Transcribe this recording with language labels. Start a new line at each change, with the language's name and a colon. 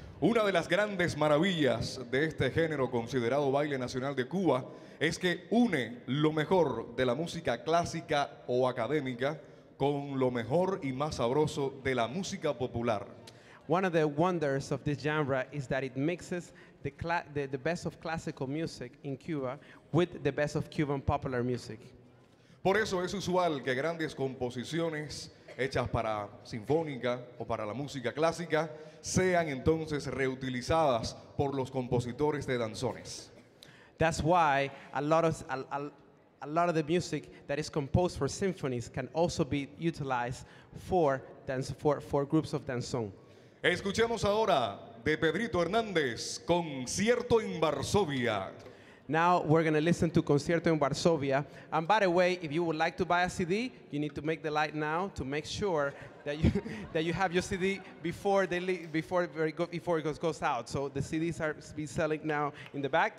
Spanish: Una de las grandes maravillas de este género considerado baile nacional de Cuba es que une lo mejor de la música clásica o académica con lo mejor y más sabroso de la música popular.
English: One of the wonders of this genre is that it mixes the best of classical music in Cuba with the best of Cuban popular music.
Spanish: Por eso es usual que grandes composiciones hechas para sinfónica o para la música clásica sean entonces reutilizadas por los compositores de danzones.
English: That's why a lot of the music that is composed for symphonies can also be utilized for groups of danzón.
Spanish: Escuchemos ahora de Pedrito Hernández, Concierto en Varsovia.
English: Now we're going to listen to Concierto in Varsovia. And by the way, if you would like to buy a CD, you need to make the light now to make sure that you have your CD before it goes out. So the CDs are be selling now in the back.